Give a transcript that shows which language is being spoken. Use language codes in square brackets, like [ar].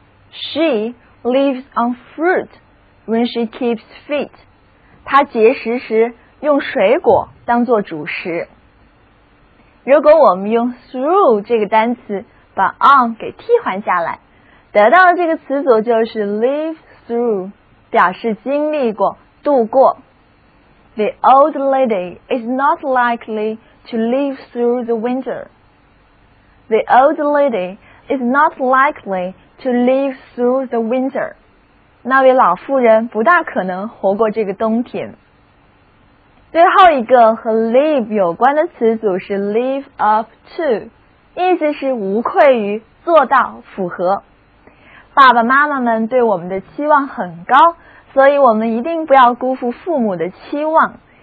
[en] She lives on fruit when she keeps fit. [zh] 她节食时用水果当作主食。如果我们用 through 这个单词把 on 给替换下来，得到的这个词组就是 live through, 表示经历过、度过。 [en] The old lady is not likely to live through the winter. The old lady is not likely to live through the winter. [zh] 那位老妇人不大可能活过这个冬天。最后一个和 live 有关的词组是 live up to, 意思是无愧于、做到、符合。爸爸妈妈们对我们的期望很高，所以我们一定不要辜负父母的期望。